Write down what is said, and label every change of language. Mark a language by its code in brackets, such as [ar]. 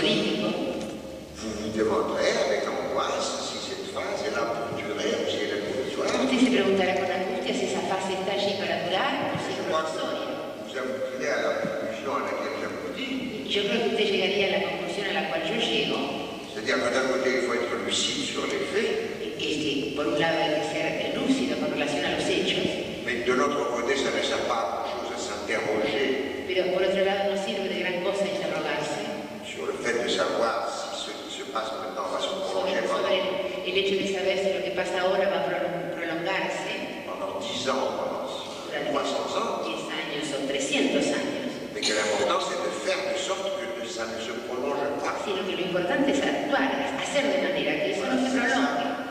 [es] usted se preguntará con angustia si esa fase está allí para durar o si es provisoria. Yo creo que usted llegaría a la conclusión a la cual yo llego. [fr] C'est-à-dire que d'un côté, il faut être lucide sur les faits. [es] Et que, por un lado, hay que ser lúcido con relación a los hechos. [fr] Mais de l'autre côté, ça ne sert pas à chose à s'interroger. [es] Pero por otro lado, no sirve de gran cosa interrogarse. [fr] Sur le fait de savoir si ce qui se passe maintenant va se prolonger pendant. [es] El hecho de saber si lo que pasa ahora va a prolongarse. [fr] Pendant 10 ans, pendant 300 ans. [es] 10 años o 300 años. [fr] Mais que l'important, c'est de faire de sorte que ça ne se prolonge pas. [es] Sino que lo importante es actuar, hacer de manera que eso no se prolongue.